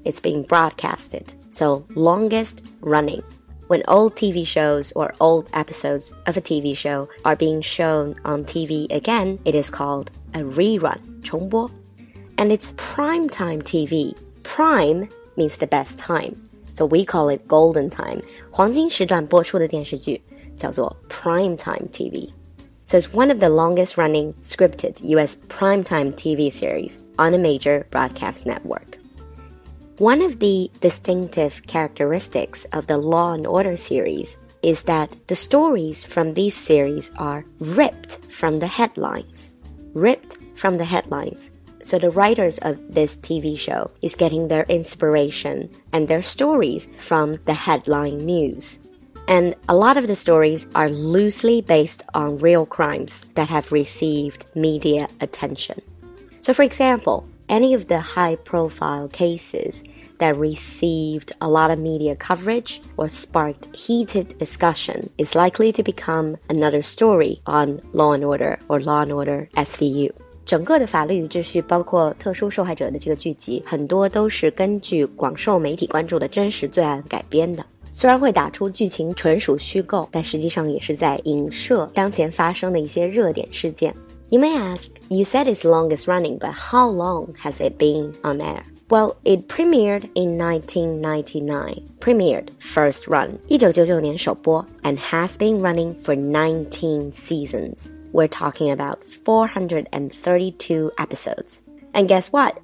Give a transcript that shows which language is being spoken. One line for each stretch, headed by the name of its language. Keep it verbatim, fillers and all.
English: It's being broadcasted. So longest-running. When old T V shows or old episodes of a T V show are being shown on T V again, it is called a rerun, 重播. And it's primetime T V. Prime means the best time. So we call it golden time.
Chinese: 黄金时段播出的电视剧叫做 primetime T V.
English: So it's one of the longest running scripted U S primetime T V series on a major broadcast network. One of the distinctive characteristics of the Law and Order series is that the stories from these series are ripped from the headlines. Ripped from the headlines. So the writers of this T V show is getting their inspiration and their stories from the headline news. And a lot of the stories are loosely based on real crimes that have received media attention. So for example,Any of the high-profile cases that received a lot of media coverage or sparked heated discussion is likely to become another story on Law and Order or Law and Order S V U.
Chinese: 整个的法律与秩序包括特殊受害者的这个剧集，很多都是根据广受媒体关注的真实罪案改编的。虽然会打出剧情纯属虚构，但实际上也是在影射当前发生的一些热点事件。
English: You may ask, you said it's longest running, but how long has it been on air? Well, it premiered in nineteen ninety-nine. Premiered, first run,
Chinese: 一九九九年首播,
English: and has been running for nineteen seasons. We're talking about four hundred thirty-two episodes. And guess what?